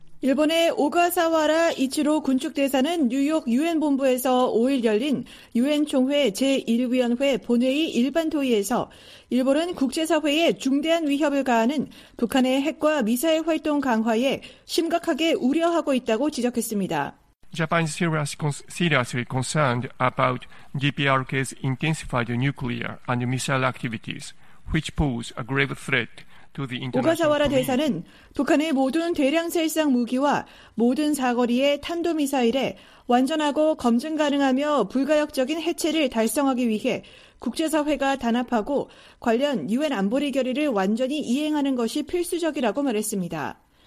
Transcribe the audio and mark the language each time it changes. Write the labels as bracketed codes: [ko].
[ko] 일본의 오가사와라 이치로 군축대사는 뉴욕 유엔본부에서 5일 열린 유엔총회 제1위원회 본회의 일반토의에서 일본은 국제사회에 중대한 위협을 가하는 북한의 핵과 미사일 활동 강화에 심각하게 우려하고 있다고 지적했습니다. [en] Japan's seriously concerned about DPRK's intensified nuclear and missile activities, which pose a grave threat. [ko] 오가사와라 대사는 북한의 모든 대량 실상 무기와 모든 사거리의 탄도미사일에 완전하고 검증 가능하며 불가역적인 해체를 달성하기 위해 국제사회가 단합하고 관련 유엔 안보리 결의를 완전히 이행하는 것이 필수적이라고 말했습니다.